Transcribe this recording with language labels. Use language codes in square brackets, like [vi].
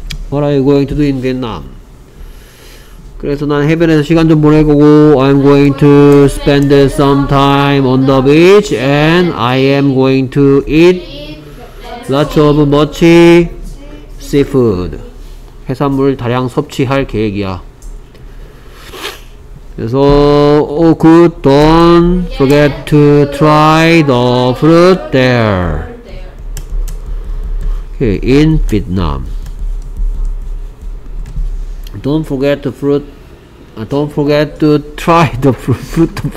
[en] What are you going to do in Vietnam? [ko] 그래서 난 해변에서 시간 좀 보낼 거고 [en] I'm going to spend some time on the beach and I am going to eat lots of much seafood. [ko] 해산물 다량 섭취할 계획이야. 그래서 [en] oh good, don't forget to try the fruit there. Okay, in Vietnam. Don't forget the fruit. Don't forget to try the fruit.